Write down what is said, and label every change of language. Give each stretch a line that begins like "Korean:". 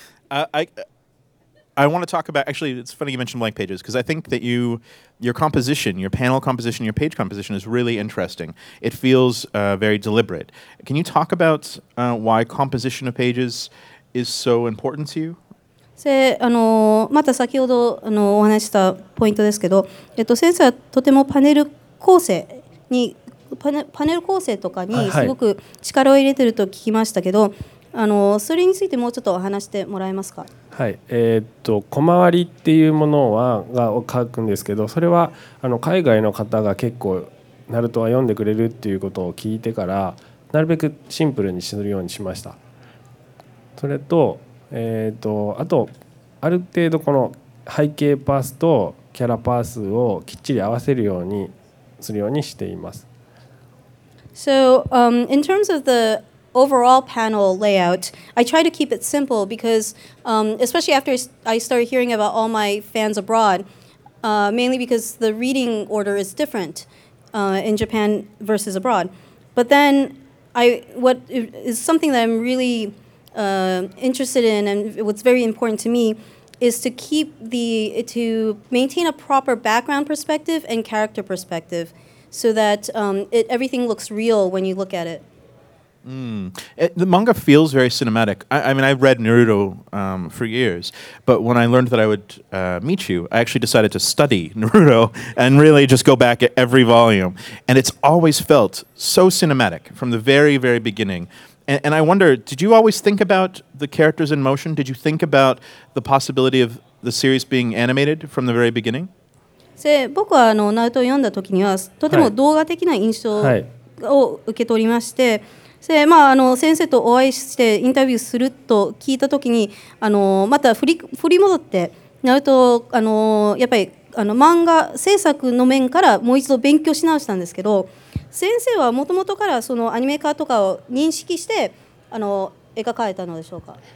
English: I want to talk about, actually, it's funny you mentioned blank pages, because I think that you, your composition, your panel composition, your page composition is really interesting. It feels very deliberate. Can you talk about why composition of pages is so important to you?
Japanese: また先ほどお話したポイントですけど、先生はとてもパネル構成に、パネル構成とかにすごく力を入れていると聞きましたけど、それについてもうちょっとお話してもらえますか。はい、小回りっていうものはが書くんですけど、それは海外の方が結構ナルトは読んでくれるっていうことを聞いてから、なるべくシンプルにするようにしました。それと、あとある程度この背景パースとキャラパースをきっちり合わせるようにするようにしています。
English: So, in terms of theOverall panel layout, I try to keep it simple because, especially after I started hearing about all my fans abroad, mainly because the reading order is different in Japan versus abroad. But then, what is something that I'm really interested in and what's very important to me is to keep to maintain a proper background perspective and character perspective so that everything looks real when you look at it. The manga feels very cinematic. I mean, I've read Naruto for years, but when I learned that I would meet you, I actually decided to study Naruto and really just go back at every volume. And it's always felt so cinematic from the very, very beginning. And I wonder, did you always think about the characters in motion? Did you think about the possibility of the series being animated from the very beginning?
Japanese: 僕はNaruto を読んだ時にはとても動画的な印象を受け取りまして、で、先生とお会いしてインタビューすると聞いたときに、また振り戻ってなると、やっぱり漫画制作の面からもう一度勉強し直したんですけど、先生はもともとからそのアニメ化とかを認識して描かれたのでしょうか。